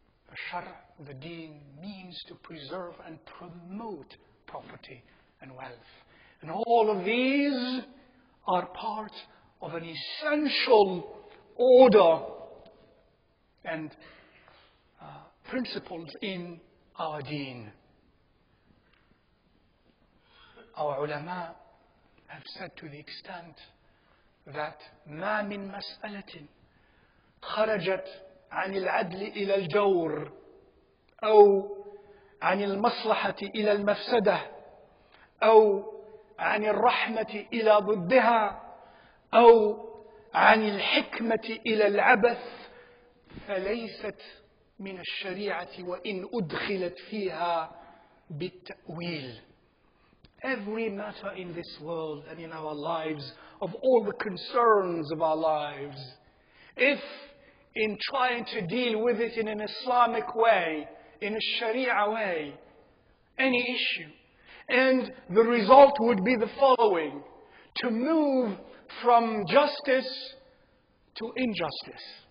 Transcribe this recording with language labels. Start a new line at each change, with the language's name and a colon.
English: The shar, the deen, means to preserve and promote property and wealth. And all of these are part of an essential order and principles in our deen. Our ulama have said to the extent that
Arabic: ما من مسألة خرجت عن العدل إلى الجور أو عن المصلحة إلى المفسدة أو عن الرحمة إلى ضدها أو عن الحكمة إلى العبث فليست من الشريعة وإن أدخلت فيها بالتأويل.
English: Every matter in this world and in our lives, of all the concerns of our lives, if in trying to deal with it in an Islamic way, in a Sharia way, any issue, and the result would be the following: to move from justice to injustice,